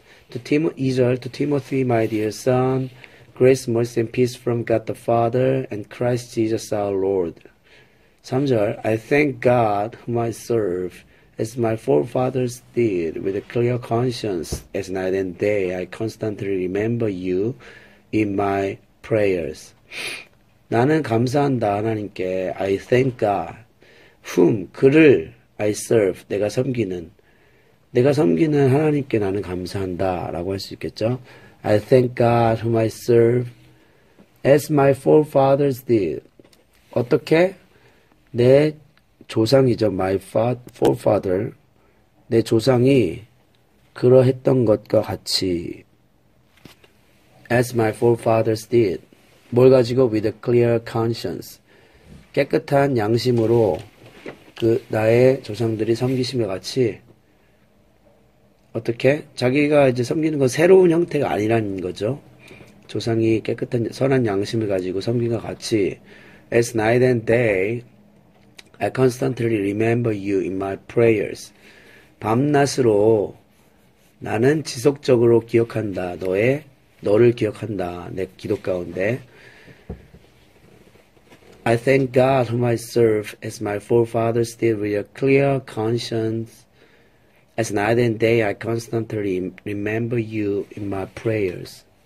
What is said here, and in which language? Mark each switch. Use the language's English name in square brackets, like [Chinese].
[English] 2절, to Timothy, my dear son, grace, mercy and peace from God the Father and Christ Jesus our Lord. 3절, I thank God whom I serve as my forefathers did with a clear conscience as night and day I constantly remember you in my prayers. [Korean] 나는 감사한다, 하나님께. [English] I thank God. Whom, 그를, I serve, [Korean] 내가 섬기는. 내가 섬기는 하나님께 나는 감사한다. 라고 할수 있겠죠? [English] I thank God whom I serve as my forefathers did. 어떻게? [Korean] 내 조상이죠. [English] My forefather. [Korean] 내 조상이 그러했던 것과 같이. [English] As my forefathers did. [Korean] 뭘 가지고? [English] With a clear conscience. [Korean] 깨끗한 양심으로 그 나의 조상들이 섬기심과 같이 어떻게? 자기가 이제 섬기는 건 새로운 형태가 아니라는 거죠. 조상이 깨끗한 선한 양심을 가지고 섬김과 같이 [English] As night and day I constantly remember you in my prayers. [Korean] 밤낮으로 나는 지속적으로 기억한다. 너를 기억한다. 내 기도 가운데 [English] I thank God whom I serve as my forefathers did with a clear conscience, as night and day I constantly remember you in my prayers.